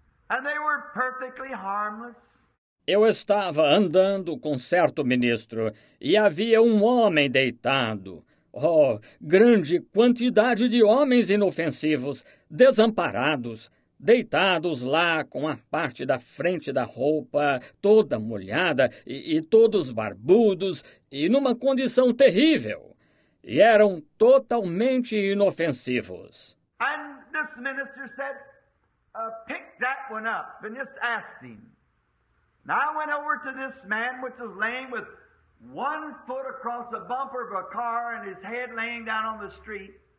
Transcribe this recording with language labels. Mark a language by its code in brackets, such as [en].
[en] And they were perfectly harmless. [pt] Eu estava andando com certo ministro e havia um homem deitado. Oh, grande quantidade de homens inofensivos, desamparados, deitados lá com a parte da frente da roupa toda molhada e todos barbudos e numa condição terrível. E eram totalmente inofensivos. [en] And this minister said, pick that one up and just asked him. Now I went over to this man, which was laying with one foot across the bumper of a car and his head laying down on the street.